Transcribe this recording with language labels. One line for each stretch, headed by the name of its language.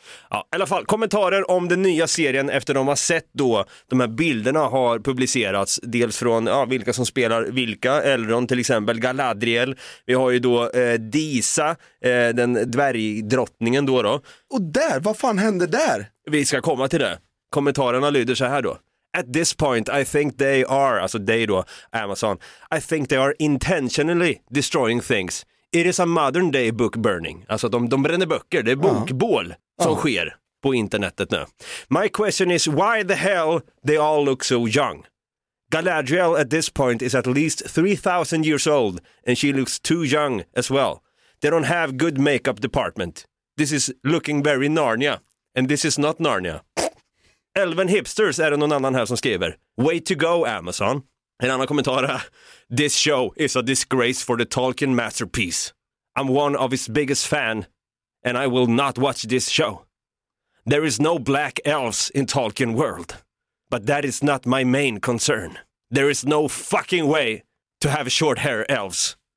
Swedish: Ja, i alla fall, kommentarer om den nya serien efter de har sett då, de här bilderna har publicerats, dels från ja, vilka som spelar vilka, Elrond till exempel, Galadriel, vi har ju då Disa, den dvärgdrottningen då. Och där, vad fan hände där? Vi ska komma till det. Kommentarerna lyder så här då.
English: At this point I think they are, alltså they då, Amazon, I think they are intentionally destroying things. It is a modern day book burning.
Swedish: Alltså de bränner böcker, det är bokbål. Uh-huh. Som sker på internetet nu.
English: My question is, why the hell they all look so young? Galadriel at this point is at least 3,000 years old, and she looks too young as well. They don't have good makeup department. This is looking very Narnia, and this is not Narnia. Elven hipsters
Swedish: är det någon annan här som skriver.
English: Way to go, Amazon.
Swedish: En annan kommentar här.
English: This show is a disgrace for the Tolkien masterpiece. I'm one of his biggest fan. And I will not watch this show. There is no black elves in Tolkien world. But that is not my main concern. There is no fucking way to have short hair elves.